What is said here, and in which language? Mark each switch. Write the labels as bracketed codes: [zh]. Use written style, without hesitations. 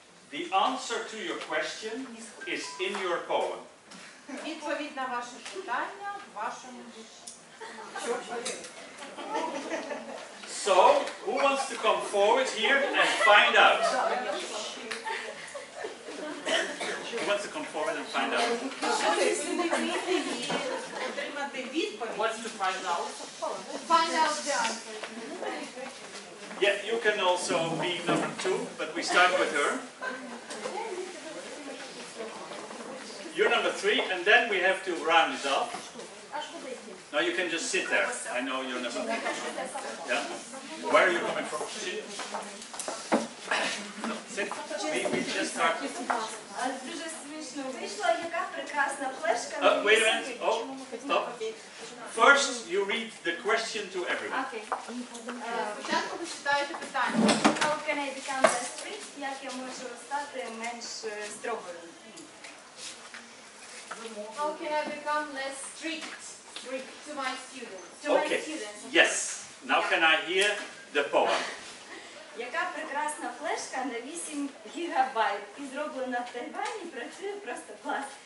[en] The answer to your question is in your poem. [uk] Відповідь на ваше питання в вашому вірші. [en] So, who wants to come forward here and find out? Who wants to come forward and find out? [uk] Що ви сьогодні прийти і отримати відповідь? [en] What's to find out? Find out the answer. Yeah, you can also be number two, but we start with her. You're number three, and then we have to round it up. No, you can just sit there. I know you're number three. Yeah? Where are you coming from? No, sit. We just start. Wait a minute. Oh, stop. First, you read the question to everyone. [uk] Спочатку ви читаєте питання. [en] How can I become less strict? [uk] Як я можу стати менш строгою? [en] How can I become less strict to my students? Okay. Yes. Now can I hear the poem? [uk] Яка прекрасна флешка на 8 гігабайт і зроблена в Тайвані, працює просто клас.